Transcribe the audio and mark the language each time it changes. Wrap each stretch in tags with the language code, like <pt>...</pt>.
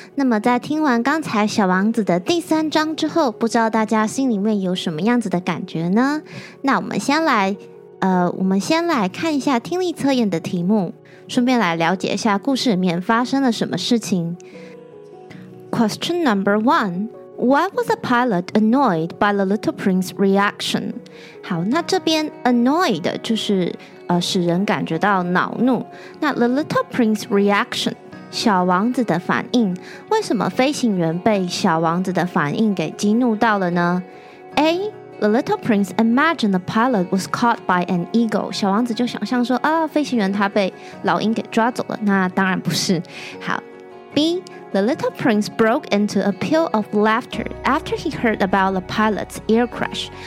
<zh>那么在听完刚才小王子的第三章之后，不知道大家心里面有什么样子的感觉呢？那我们先来看一下听力测验的题目，顺便来了解一下故事里面发生了什么事情。</zh> <en>Question number one. Why was the pilot annoyed by the little prince's reaction?</en> <zh>好，那这边 annoyed 就是使人感觉到恼怒。那</zh> <en>the little prince's reaction,</en> <zh>小王子的反应，为什么飞行员被小王子的反应给激怒到了呢？ A.</zh> <en>The little prince imagined the pilot was caught by an eagle.</en> <zh>小王子就想象说，飞行员他被老鹰给抓走了。那当然不是。好。 B.</zh> <en>The little prince broke into a peal of laughter after he heard about the pilot's air crash.</en>